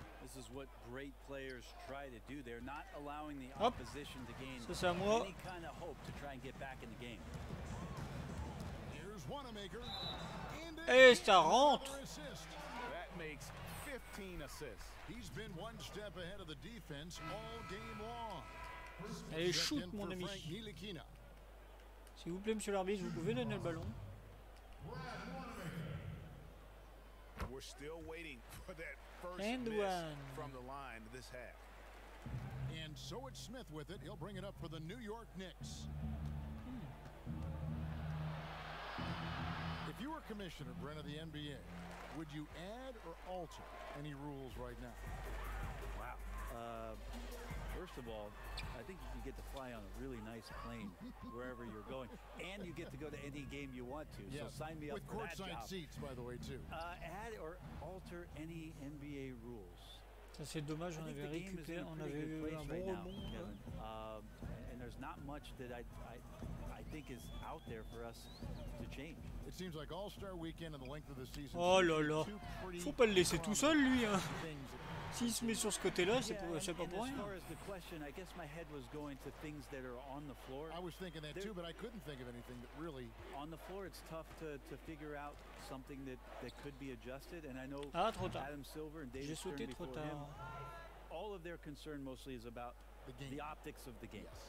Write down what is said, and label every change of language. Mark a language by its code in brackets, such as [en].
[en] This is what great players try to do. They're not allowing the opposition to gain any kind of hope to try and get back in the game. Here's Wanamaker. [fr] Et ça rentre. [en] That makes 15 assists. He's been one step ahead of the defense all game long. [fr] Allez, shoot, mon ami. S'il vous plaît, monsieur l'arbitre, vous pouvez donner le ballon. [en] We're still waiting for that first and miss one from the line this half. And so it's Smith with it. He'll bring it up for the New York Knicks. If you were commissioner, Brent, of the NBA, would you add or alter any rules right now? Wow. First of all, I think you get to fly on a really nice plane wherever you're going, and you get to go to any game you want to. Yeah. So sign me up with courtside seats, by the way, too. Add or alter any NBA rules. [fr] Ça, c'est dommage, on avait récupéré, on avait eu un bon rebond. [en] And there's not much that I think is out there for us to change. It seems like All-Star Weekend and the length of the season. [fr] Oh là là, faut pas le laisser tout seul, lui. Hein. S'il se met sur ce côté-là, c'est pour, c'est pas pour rien. [en] As far as the question, I guess my head was going to things that are on the floor. I was thinking that too, but I couldn't think of anything that really. On the floor, it's tough to figure out something that could be adjusted. And I know Adam Silver and David Stern before him. All of their concern mostly is about the optics of the game.